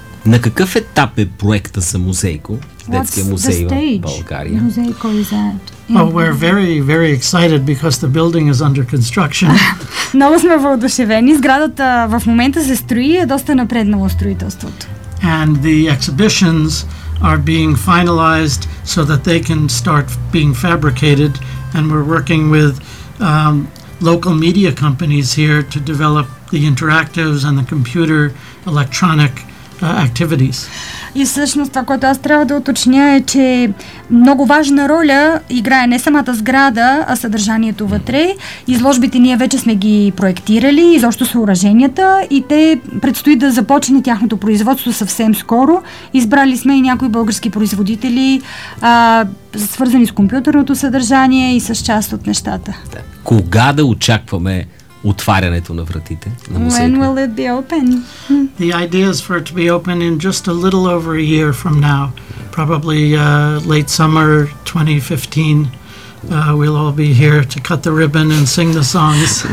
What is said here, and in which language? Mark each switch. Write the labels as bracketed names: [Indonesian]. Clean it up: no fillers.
[Bulgarian] На какъв етап е проекта за музейко, детския музей в България? [English] Музейко is at? Oh, we're very, very excited because the building is under construction. [Bulgarian] Много сме въодушевени. Сградата в момента се строи и е доста напреднало строителството. [English] And the exhibitions are being finalized so that they can start being fabricated, and we're working with local media companies here to develop the interactives and the computer electronic activities. [Bulgarian] И всъщност това, което аз трябва да уточня, е, че много важна роля играе не самата сграда, а съдържанието вътре. Изложбите ние вече сме ги проектирали, изобщо съоръженията, и те предстои да започне тяхното производство съвсем скоро. Избрали сме и някои български производители, свързани с компютърното съдържание и с част от нещата. Кога да очакваме отварянето на вратите на музея? [English] When will it be open? The idea is for it to be open in just a little over a year from now, probably late summer 2015. We'll all be here to cut the ribbon and sing the songs.